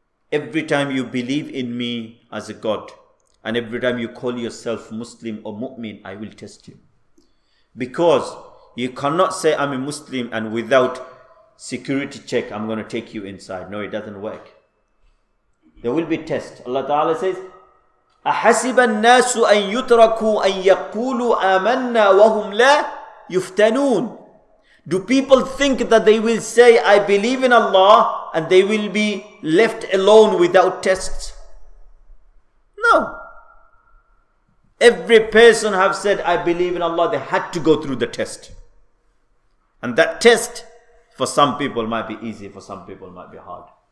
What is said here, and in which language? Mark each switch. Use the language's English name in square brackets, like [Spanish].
[English] Every time you believe in me as a God, and every time you call yourself Muslim or Mu'min, I will test you. Because you cannot say I'm a Muslim and without security check, I'm going to take you inside. No, it doesn't work. There will be test. Allah Ta'ala says, [Arabic] أَحَسِبَ النَّاسُ أَن يُتْرَكُوا أَن يَقُولُوا آمَنَّا وَهُمْ لَا يُفْتَنُونَ. [English] Do people think that they will say, I believe in Allah, and they will be left alone without tests? No. Every person have said, I believe in Allah, they had to go through the test. And that test, for some people might be easy, for some people might be hard.